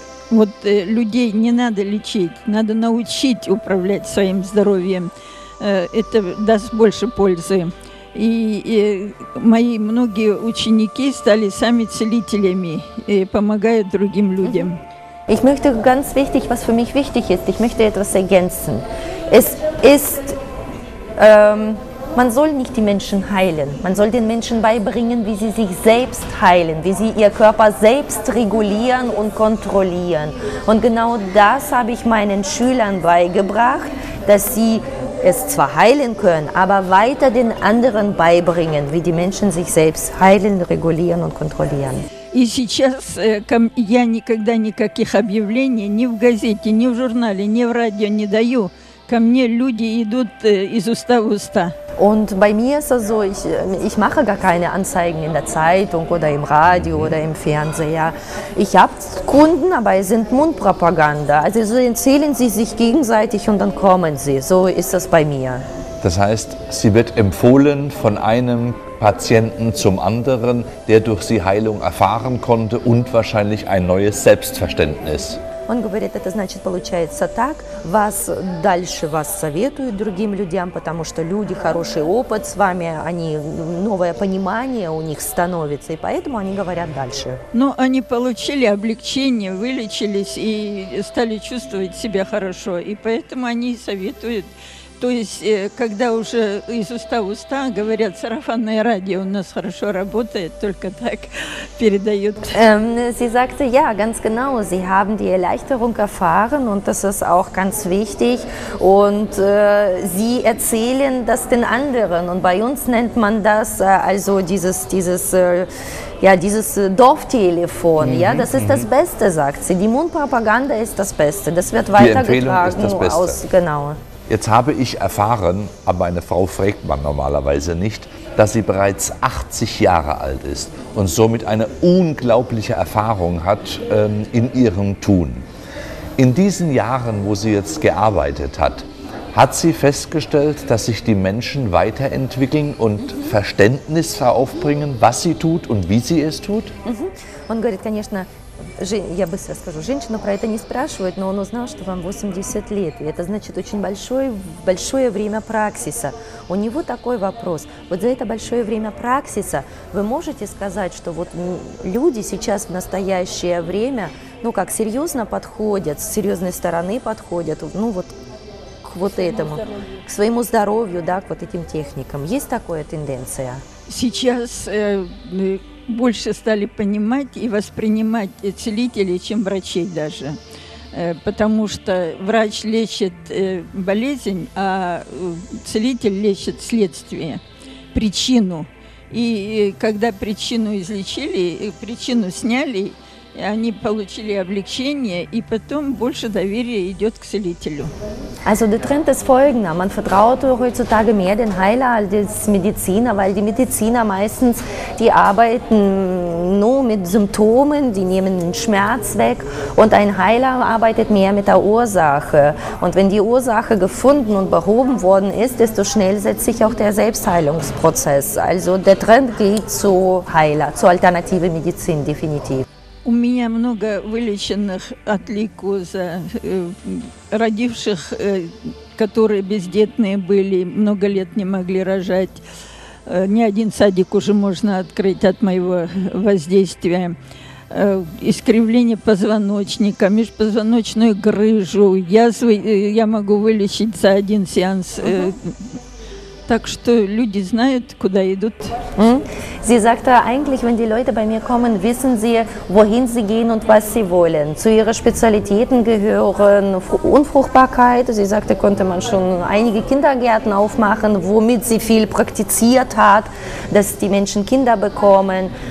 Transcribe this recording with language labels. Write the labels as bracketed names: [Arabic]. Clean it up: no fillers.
[Russian] Вот людей не надо лечить, надо научить управлять своим здоровьем. Это даст больше пользы. И мои многие ученики стали сами целителями и помогают другим людям. [German] Ich möchte ganz wichtig, was für mich wichtig ist, ich möchte etwas ergänzen. Es ist Man soll nicht die Menschen heilen. Man soll den Menschen beibringen, wie sie sich selbst heilen, wie sie ihr Körper selbst regulieren und kontrollieren. Und genau das habe ich meinen Schülern beigebracht, dass sie es zwar heilen können, aber weiter den anderen beibringen, wie die Menschen sich selbst heilen, regulieren und kontrollieren. [Russian] И сейчас я никогда никаких объявлений ни в газете, ни в журнале, ни в радио не даю. Ко мне люди идут из уста в уста. [German] Und bei mir ist es so, ich mache gar keine Anzeigen in der Zeitung oder im Radio oder im Fernseher. Ich habe Kunden, aber es sind Mundpropaganda. Also so erzählen sie sich gegenseitig und dann kommen sie. So ist das bei mir. Das heißt, sie wird empfohlen von einem Patienten zum anderen, der durch sie Heilung erfahren konnte und wahrscheinlich ein neues Selbstverständnis. [Russian] Он говорит, это значит, получается так, вас дальше вас советуют другим людям, потому что люди, хороший опыт с вами, они, новое понимание у них становится, и поэтому они говорят дальше. Ну, они получили облегчение, вылечились и стали чувствовать себя хорошо, и поэтому они советуют. То есть, когда уже из уста в уста говорят, сарафанное радио у нас хорошо работает, только так передают. [German] Sie sagte, ja, ganz genau, sie haben die Erleichterung erfahren und das ist auch ganz wichtig. Und sie erzählen das den anderen und bei uns nennt man das also dieses Dorftelefon, ja, das ist das Beste, sagt sie. Die Mundpropaganda ist das Beste, das wird weitergetragen. Die Empfehlung ist das Beste. Genau. Jetzt habe ich erfahren, aber meine Frau fragt man normalerweise nicht, dass sie bereits 80 Jahre alt ist und somit eine unglaubliche Erfahrung hat in ihrem Tun. In diesen Jahren, wo sie jetzt gearbeitet hat, hat sie festgestellt, dass sich die Menschen weiterentwickeln und Verständnis aufbringen, was sie tut und wie sie es tut? [Russian] Und говорит, конечно. Я быстро скажу, женщина про это не спрашивает, но он узнал, что вам 80 лет. И это значит очень большое время праксиса. У него такой вопрос. Вот за это большое время праксиса вы можете сказать, что вот люди сейчас в настоящее время, ну как, серьезно подходят, с серьезной стороны подходят, ну вот к вот этому, к своему здоровью, да, к вот этим техникам. Есть такая тенденция? Сейчас... больше стали понимать и воспринимать целителей, чем врачей даже. Потому что врач лечит болезнь, а целитель лечит следствие, причину. И когда причину излечили, причину сняли, они получили облегчение, и потом больше доверия идет к целителю. [German] Also der Trend ist folgender. Man vertraut heutzutage mehr den Heiler als den Mediziner, weil die Mediziner meistens, die arbeiten nur mit Symptomen, die nehmen den Schmerz weg und ein Heiler arbeitet mehr mit der Ursache. Und wenn die Ursache gefunden und behoben worden ist, desto schneller setzt sich auch der Selbstheilungsprozess. Also der Trend geht zu Heiler, zur alternative Medizin definitiv. [Russian] У меня много вылеченных от лейкоза, родивших, которые бездетные были, много лет не могли рожать. Ни один садик уже можно открыть от моего воздействия. Искривление позвоночника, межпозвоночную грыжу, язвы я могу вылечить за один сеанс. Так что люди знают, куда идут. [German] Sie sagte eigentlich, wenn die Leute bei mir kommen, wissen sie, wohin sie gehen und was sie wollen. Zu ihren Spezialitäten gehören Unfruchtbarkeit. Sie sagte, konnte man schon einige Kindergärten aufmachen, womit sie viel praktiziert hat, dass die Menschen Kinder bekommen.